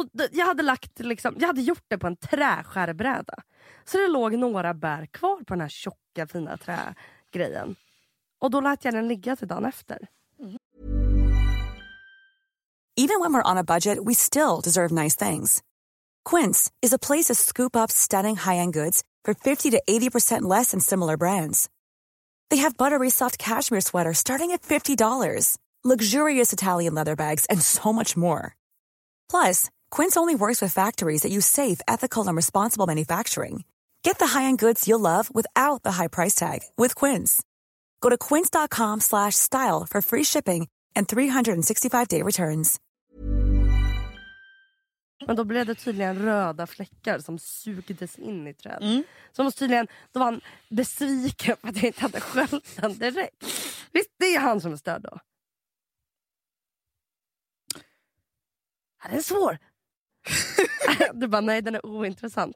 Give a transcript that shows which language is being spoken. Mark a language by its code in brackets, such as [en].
[sv] Jag hade lagt liksom. Jag hade gjort det på en träskärbräda. Så det låg några bär kvar på den här tjocka fina trä. grejen. Och då lät jag den ligga till dagen efter. [en] Even when we're on a budget, we still deserve nice things. Quince is a place to scoop up stunning high-end goods for 50 to 80% less than similar brands. They have buttery soft cashmere sweaters starting at $50, luxurious Italian leather bags, and so much more. Plus, Quince only works with factories that use safe, ethical, and responsible manufacturing. Get the high-end goods you'll love without the high price tag with Quince. Go to quince.com/style for free shipping and 365-day returns. [sv] Men då blev det tydligen röda fläckar som sugdes in i träd. Mm. Så måste tydligen, då var han besviken för att jag inte hade sköljt den direkt. Visst, det är han som är stöd då. Ja, den är svår. Du bara, nej, den är ointressant.